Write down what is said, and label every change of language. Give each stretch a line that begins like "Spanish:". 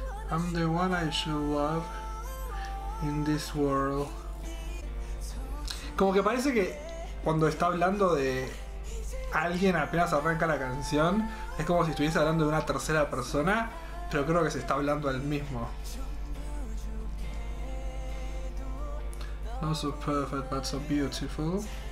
English: I'm the one I should love in this world.
Spanish: Como que parece que cuando está hablando de alguien apenas arranca la canción, es como si estuviese hablando de una tercera persona, pero creo que se está hablando él mismo.
English: Not so perfect, but so beautiful.